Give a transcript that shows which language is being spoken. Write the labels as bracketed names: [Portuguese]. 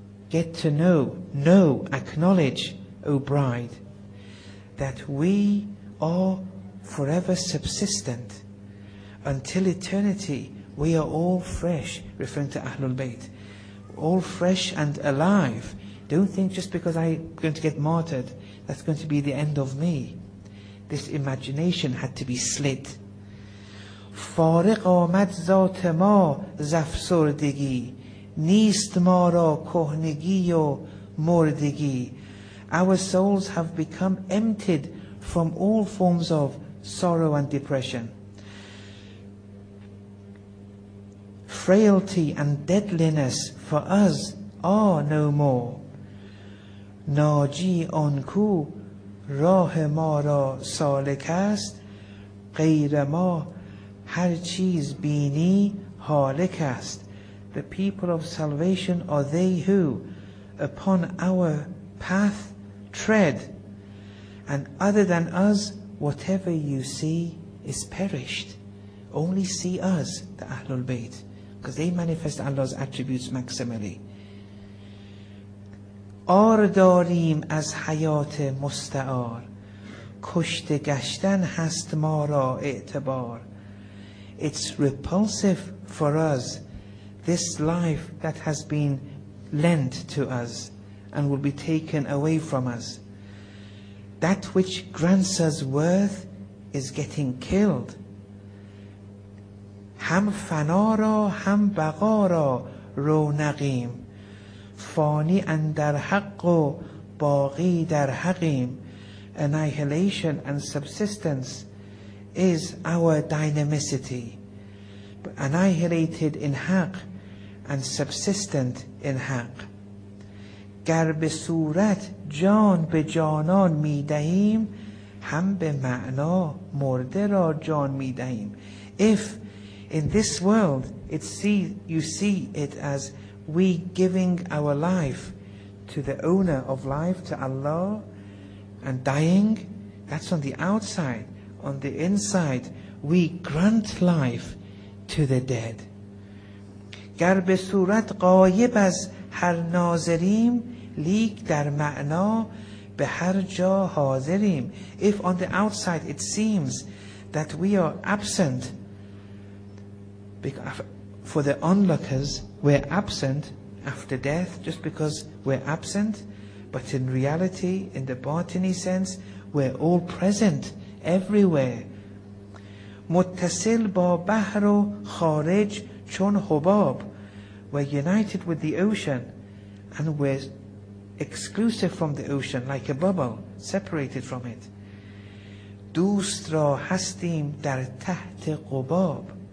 [English] get to know, acknowledge, O bride, that we are forever subsistent. Until eternity, we are all fresh, referring to Ahlul Bayt, all fresh and alive. Don't think just because I'm going to get martyred, that's going to be the end of me. This imagination had to be slit. [Persian] فارق آمد ذات ما زفسردگی، نیست ما را کهنگی و مردگی. [English] Our souls have become emptied from all forms of sorrow and depression. Frailty and deadliness for us are no more. [Persian] ناجی آنکو راه ما را سالک است، غیر ما هر چیز بینی هالک است. [English] The people of salvation are they who upon our path tread, and other than us whatever you see is perished. Only see us, the Ahlul Bayt, because they manifest Allah's attributes maximally. [Persian] آر داریم از حیات مستعار، کشته گشتن هست ما را اعتبار. [English] It's repulsive for us, this life that has been lent to us and will be taken away from us. That which grants us worth is getting killed. [Persian] هم فنا را هم بقا را رونقیم، فانی اندر حق و باقی در حقیم. [English] Annihilation and subsistence is our dynamicity. Annihilated in حق and subsistent in حق. [Persian] گر به صورت جان به جانان می دهیم، هم به معنا مرده را جان می دهیم. [English] If in this world it see, you see it as we giving our life to the owner of life, to Allah, and dying, that's on the outside. On the inside, we grant life to the dead. [Persian] گر به صورت غایب از هر ناظریم، لیک در معنا به هر جا حاضریم. [English] If on the outside it seems that we are absent, for the onlookers, we're absent after death, just because we're absent, but in reality, in the batini sense, we're all present everywhere. [Persian] متصل با بحر و خارج چون حباب. [English] We're united with the ocean, and we're exclusive from the ocean, like a bubble, separated from it. [Persian] دوست را هستیم در تحت قباب.